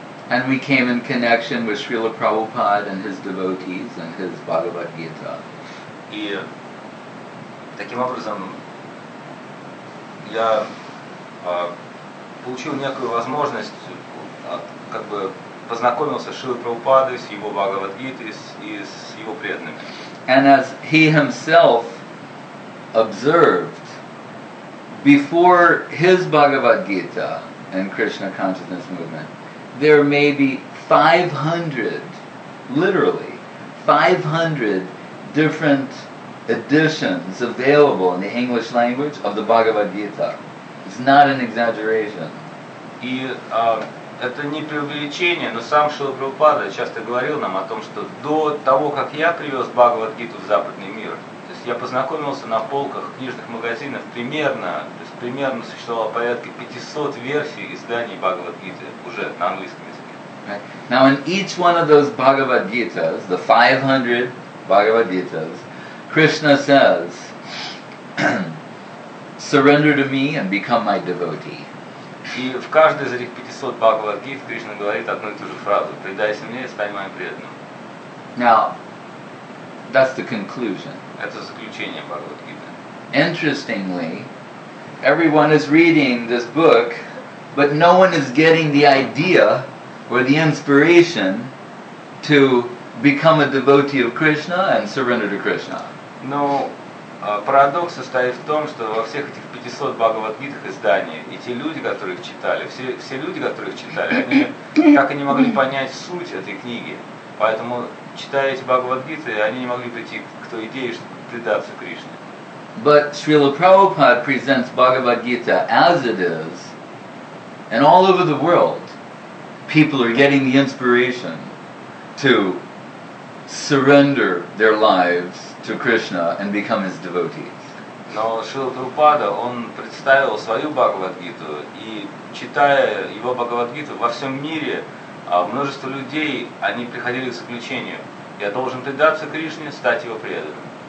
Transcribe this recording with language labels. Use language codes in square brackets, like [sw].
[en] And we came in connection with Srila Prabhupada and his devotees and his Bhagavad Gita. [ru] И таким образом я получил некую возможность, как бы познакомился с Шрилой Прабхупадой, с его Бхагавад-гитой и с его преданными. [en] And as he himself observed, before his Bhagavad-gita and Krishna Consciousness Movement, there may be 500, literally, 500 different editions available in the English language of the Bhagavad Gita. It's not an exaggeration. [ru] И это не преувеличение, но сам Шрила Прабхупада часто говорил нам о том, что до того, как я привез Бхагавад Гиту в западный мир, то есть я познакомился на полках книжных магазинов примерно существовало порядка 500 версий изданий Бхагавад Гиты уже на английском языке. [en] Now in each one of those Bhagavad Gitas, the 500 Bhagavad Gitas, Krishna says, surrender to me and become my devotee. [ru] И в каждой из этих 500 Бхагавад-гит Кришна говорит одну и ту же фразу: «Предайся мне и стань моим преданным». [en] Now, that's the conclusion. [ru] Это заключение Бхагавад-гиты. [en] Interestingly, everyone is reading this book, but no one is getting the idea or the inspiration to become a devotee of Krishna and surrender to Krishna. [ru] Но парадокс состоит в том, что во всех этих 500 Бхагавад-гитах изданий, и те люди, которые их читали, все люди, которые их читали, они так и не могли понять суть этой книги. Поэтому, читая эти Бхагавад-гиты, они не могли прийти к той идее, чтобы предаться Кришне. [en] But Srila Prabhupada presents Бхагавад-гита as it is, and all over the world, people are getting the inspiration to surrender their lives to Krishna and become his devotees. [ru] Но Шрила Прабхупада, он представил свою Бхагавад-гиту, и читая его Бхагавад-гиту, во всем мире множество людей, они приходили к заключению: я должен предаться Кришне, стать его преданным.